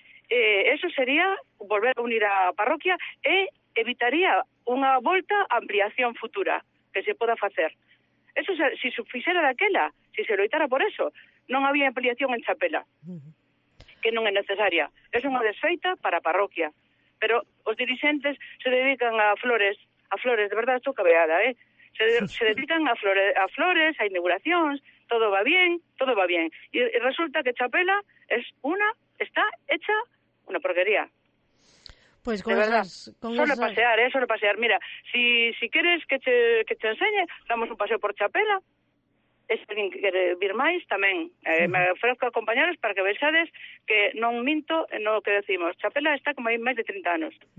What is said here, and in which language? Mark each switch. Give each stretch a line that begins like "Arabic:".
Galician: Eso sería volver a unir a parroquia e evitaría unha volta a ampliación futura que se poda facer. Eso si se fixera daquela, si se loitara por eso, non había ampliación en Chapela, que non é necesaria. Es unha desfeita para a parroquia. Pero os dirixentes se dedican a flores, de verdad, estou cabreada,
Spanish: Se dedican a flores, a inauguraciones, todo va bien, todo va bien. Y resulta que Chapela es una, está hecha una porquería. Pues con esas... Solo pasear. Mira, si quieres que te enseñe, damos un paseo por Chapela. Es alguien que quiere
Galician: vir máis tamén. Me ofrezco a acompañaros para que veixades que non minto no que decimos. Chapela está como aí máis de 30 anos.